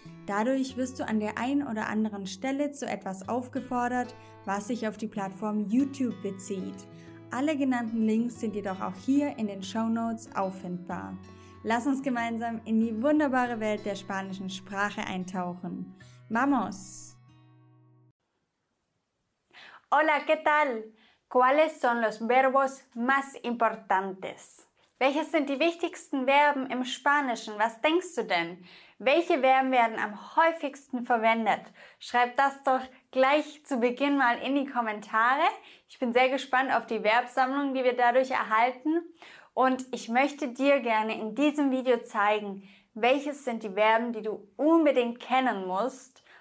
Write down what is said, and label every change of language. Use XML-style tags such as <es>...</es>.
<de>Dadurch wirst du an der einen oder anderen Stelle zu etwas aufgefordert, was sich auf die Plattform YouTube bezieht. Alle genannten Links sind jedoch auch hier in den Shownotes auffindbar. Lass uns gemeinsam in die wunderbare Welt der spanischen Sprache eintauchen.</de> <es>¡Vamos! Hola, ¿qué tal? ¿Cuáles son los verbos más importantes?</es> <de>Welches sind die wichtigsten Verben im Spanischen? Was denkst du denn? Welche Verben werden am häufigsten verwendet? Schreib das doch gleich zu Beginn mal in die Kommentare. Ich bin sehr gespannt auf die Verbsammlung, die wir dadurch erhalten. Und ich möchte dir gerne in diesem Video zeigen, welches sind die Verben, die du unbedingt kennen musst.</de>